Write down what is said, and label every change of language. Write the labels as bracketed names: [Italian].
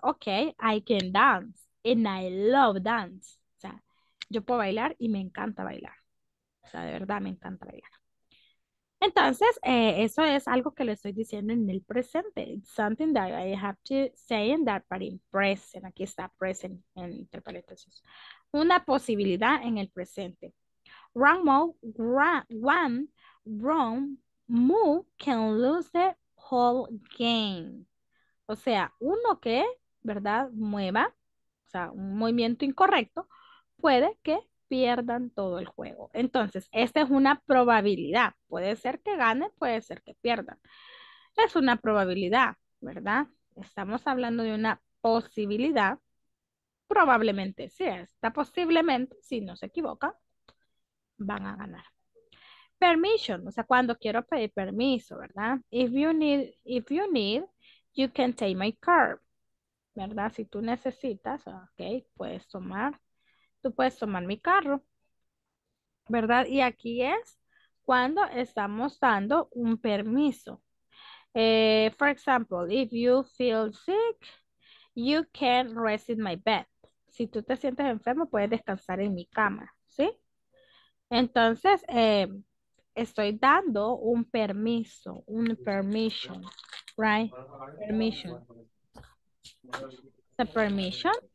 [English] Ok, I can dance and I love dance. [Spanish] O sea, yo puedo bailar y me encanta bailar. O sea, de verdad me encanta bailar. Entonces, eso es algo que le estoy diciendo en el presente. [English] It's something that I have to say in that, but in present. [Spanish] Aquí está present entre paréntesis. Una posibilidad en el presente. [English] One wrong move can lose the whole game. [Spanish] O sea, uno que, ¿verdad?, mueva, o sea, un movimiento incorrecto, puede que pierdan todo el juego. Entonces, esta es una probabilidad. Puede ser que ganen, puede ser que pierdan. Es una probabilidad, ¿verdad? Estamos hablando de una posibilidad. Probablemente sí, está posiblemente, si no se equivoca, van a ganar. Permission, o sea, cuando quiero pedir permiso, ¿verdad? [English] If you need, you can take my car, ¿verdad? [Spanish] Si tú necesitas, ok, puedes tomar. Tú puedes tomar mi carro, ¿verdad? Y aquí es cuando estamos dando un permiso. [English] For example, if you feel sick, you can rest in my bed. [Spanish] Si tú te sientes enfermo, puedes descansar en mi cama, ¿sí? Entonces, estoy dando un permiso, un permission, right? Permission. Permission.